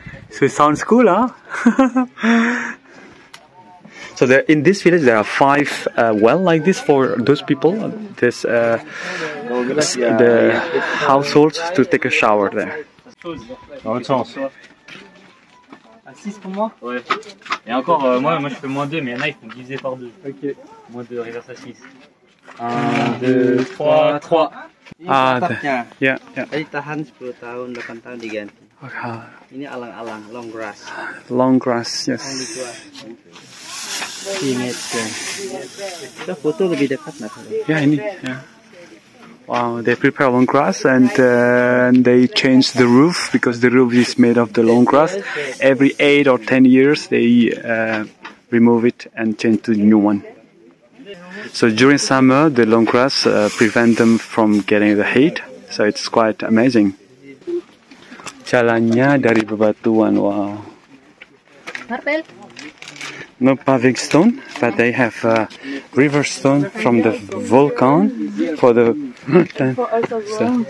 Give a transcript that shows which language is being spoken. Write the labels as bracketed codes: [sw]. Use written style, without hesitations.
[en] So it sounds cool, huh? So there, in this village, there are five well like this for those people, this the households to take a shower there. [fr] Dans l'autre sens. À 6 pour moi? Ouais. Et encore, moi je fais moins 2, mais il y en a qui font diviser par 2. Ok. Moins 2, reverse à 6. 1, 2, 3. [en] Ah, yeah. [id] Ini tahan 10 tahun, 8 tahun diganti. [en] Okay. [id] Ini alang-alang, [en] long grass. Long grass, yes. Yeah, ini. Yeah. Wow, they prepare long grass and they change the roof because the roof is made of the long grass. Every 8 or 10 years, they remove it and change to the new one. So during summer, the long grass prevent them from getting the heat. So it's quite amazing. [id] Jalannya dari bebatuan. Wow. Marpel. [en] No paving stone, but they have river stone from the volcano for the mountain. So.